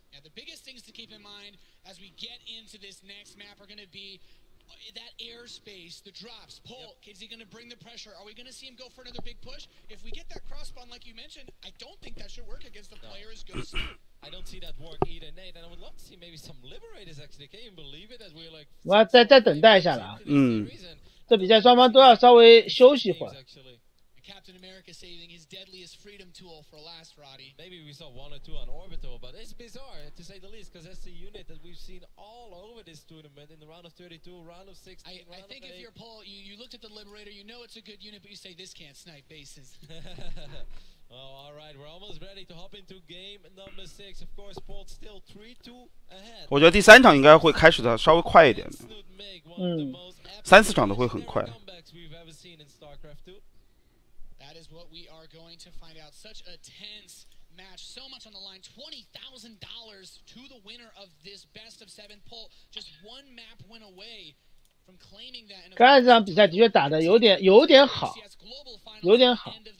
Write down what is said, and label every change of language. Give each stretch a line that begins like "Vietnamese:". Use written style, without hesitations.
English: Yeah, the biggest things to keep in mind as we get into this next map are going to be that airspace, the drops. Paul, yep. Is he going to bring the pressure? Are we going to see him go for another big push? If we get that cross-spawn like you mentioned, I don't think that should work against the player as good as... I don't see that work either, Nate. And I would love to see maybe some liberators actually. Can you believe it? As we're like,
Chinese: 我要再等待一下了。嗯，这比赛双方都要稍微休息会儿。
English: Captain America saving his deadliest freedom tool for last, Roddy. Maybe we saw one or two on orbital, but it's bizarre to say the least, because that's the unit that we've seen all over this tournament in the round of 32, round of 16. I think if you're Paul, you looked at the liberator, you know it's a good unit, but you say this can't snipe bases. Oh, all right. We're almost ready to hop into game number six. Of course, Paul still 3-2 ahead.
Chinese: 我觉得第三场应该会开始的稍微快一点。嗯，三四场都会很快。
English: That is what we are going to find out. Such a tense match. So much on the line. $20,000 to the winner of this best of seven. Paul, just one map went away from claiming that.
Chinese: 刚才这场比赛的确打得有点好，有点好。